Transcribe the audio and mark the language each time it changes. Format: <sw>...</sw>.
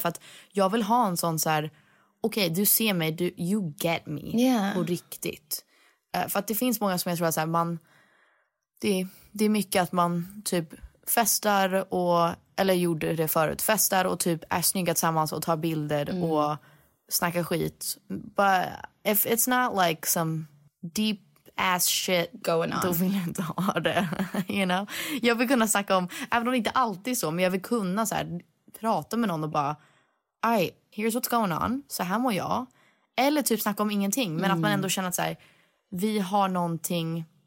<sv>För att jag vill ha en sån så här, okej, okay, du ser mig,</sv> <en>you get me. Yeah.</en> <sv>På riktigt. För att det finns många som jag tror att så här, man... Det är mycket att man typ festar och, eller gjorde det förut, festar och typ är snygga tillsammans och tar bilder och snackar skit.</sv> <en>But if it's not like some deep ass shit going on,</en> <sv>då vill jag inte ha det,</sv> <en>you know?</en> <sv>Jag vill kunna snacka om, även om det inte alltid så, men jag vill kunna så här, prata med någon och bara,</sv> <en>all right, here's what's going on,</en> <sv>så här mår jag. Eller typ snacka om ingenting, men att man ändå känner att så här, vi har någonting...</sv>